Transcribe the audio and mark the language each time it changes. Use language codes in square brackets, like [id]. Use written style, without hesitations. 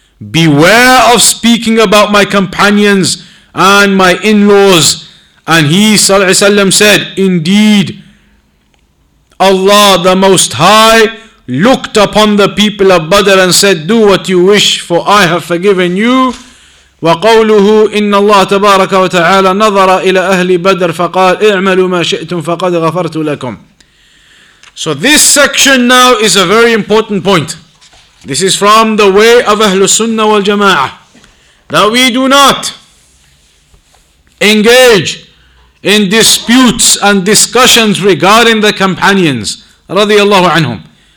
[en] Beware of speaking about my companions and my in-laws. And he ﷺ said, indeed, Allah the Most High looked upon the people of Badr and said, do what you wish, for I have forgiven you. [ar] وقوله إن الله تبارك وتعالى نظر إلى أهل بدر فقال اعملوا ما شئتم فقد غفرت لكم. [en] So this section now is a very important point. This is from the way of [ar] أهل السنة والجماعة, [en] that we do not engage in disputes and discussions regarding the companions [ar] رضي الله عنهم.